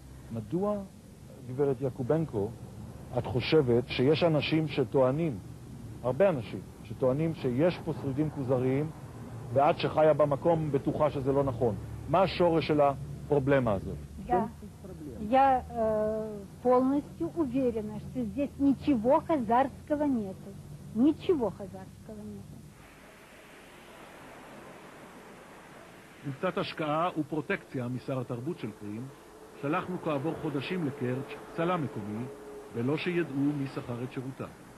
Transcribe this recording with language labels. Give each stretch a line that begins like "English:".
Hebrew: מדוע, גברת יעקובנקו, את חושבת שיש אנשים שטוענים, הרבה אנשים, שטוענים שיש פה שרידים כוזריים, ואת שחיה במקום בטוחה שזה לא נכון? מה השורש של הפרובלמה הזאת?
Russian: Я полностью уверена, что здесь ничего хазарского нету. Ничего хазарского нету.
Hebrew: עם קצת השקעה ופרוטקציה משר התרבות של קרים, שלחנו כעבור חודשים לקרץ' צלם מקומי, בלא שידעו מי שכר את שירותיו.